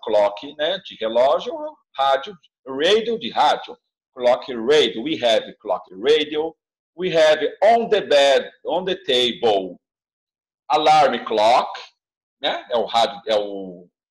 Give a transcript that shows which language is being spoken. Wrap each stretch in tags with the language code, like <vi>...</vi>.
<pt>Clock, né, de relógio, rádio, radio de rádio.</pt> <en>Clock radio. We have clock radio. We have on the bed, on the table. Alarm clock,</en> <pt>né, é o rádio, é o...</pt>